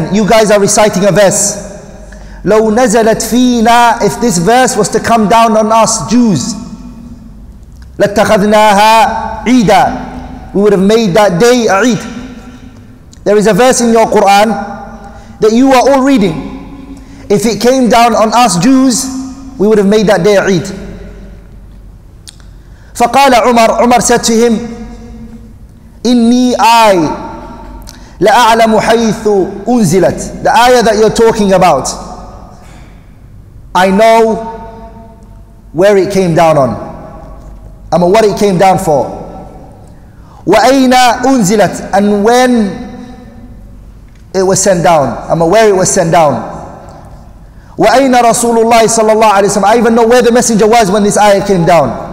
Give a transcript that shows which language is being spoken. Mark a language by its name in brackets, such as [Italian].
[English] You guys are reciting a verse. [Arabic] لو نزلت فينا, [English] if this verse was to come down on us Jews, [Arabic] لاتخذناها عيدا. [English] We would have made that day a Eid. There is a verse in your Qur'an that you are all reading. If it came down on us Jews, we would have made that day a Eid. [Arabic] فَقَالَ عُمَرُ, [English] Umar said to him, [Arabic] إِنِّي لَأَعْلَمُ حَيْثُ أُنزِلَتْ. [English] The ayah that you're talking about, I know where it came down on. I mean, what it came down for. [Arabic] وَأَيْنَ أُنزِلَتْ, [English] and when it was sent down. I'm aware it was sent down. [Arabic] وَأَيْنَ رَسُولُ اللَّهِ صَلَى اللَّهُ عَلَيْهِ وَسَلَّمَ. [English] I even know where the messenger was when this ayah came down.